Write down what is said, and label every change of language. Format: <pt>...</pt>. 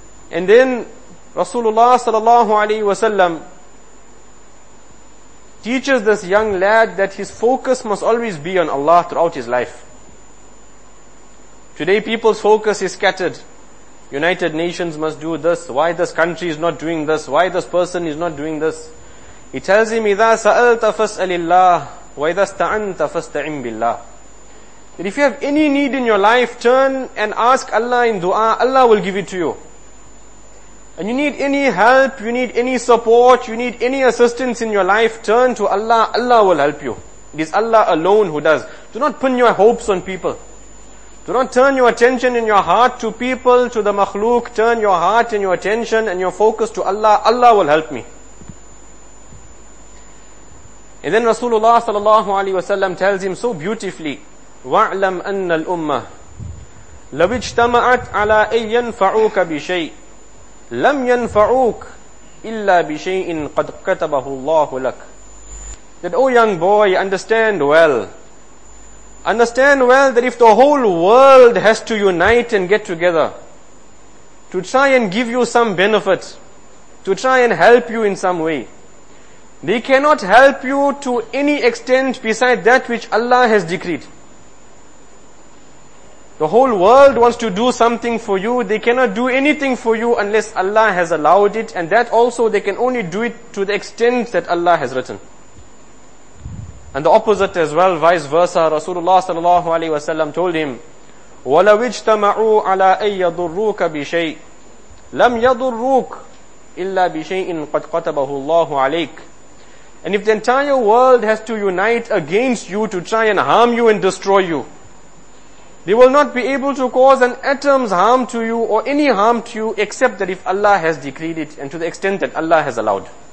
<en>And then Rasulullah sallallahu alaihi wasallam teaches this young lad that his focus must always be on Allah throughout his life. Today people's focus is scattered. United Nations must do this. Why this country is not doing this? Why this person is not doing this? He tells him,</en> <ar>إِذَا سَأَلْتَ فَاسْأَلِ اللَّهِ وَإِذَا اسْتَعَنْتَ فَاسْتَعِمْ بِاللَّهِ.</ar> <en>That if you have any need in your life, turn and ask Allah in dua, Allah will give it to you. And you need any help, you need any support, you need any assistance in your life, turn to Allah, Allah will help you. It is Allah alone who does. Do not pin your hopes on people. Do not turn your attention and your heart to people, to the makhluk. Turn your heart and your attention and your focus to Allah. Allah will help me. And then Rasulullah sallallahu alaihi wasallam tells him so beautifully,</en> <ar>وَعْلَمْ أَنَّ الْأُمَّةِ لَوِ اجْتَمَعَتْ عَلَىٰ أَيْ يَنْفَعُوكَ بِشَيْءٍ لَمْ يَنْفَعُوكَ إِلَّا بِشَيْءٍ قَدْ كَتَبَهُ اللَّهُ لَكَ.</ar> <en>That, oh young boy, understand well. Understand well that if the whole world has to unite and get together to try and give you some benefit, to try and help you in some way, they cannot help you to any extent beside that which Allah has decreed. The whole world wants to do something for you. They cannot do anything for you unless Allah has allowed it. And that also they can only do it to the extent that Allah has written. And the opposite as well, vice versa. Rasulullah sallallahu alaihi wasallam told him,</en> <ar>وَلَوْ اجْتَمَعُوا عَلَىٰ أَن يَضُرُّوكَ بِشَيْءٍ لَمْ يَضُرُّوكَ إِلَّا بِشَيْءٍ قَدْ قَتَبَهُ اللَّهُ عَلَيْكَ.</ar> <en>And if the entire world has to unite against you to try and harm you and destroy you, they will not be able to cause an atom's harm to you or any harm to you except that if Allah has decreed it and to the extent that Allah has allowed.</en>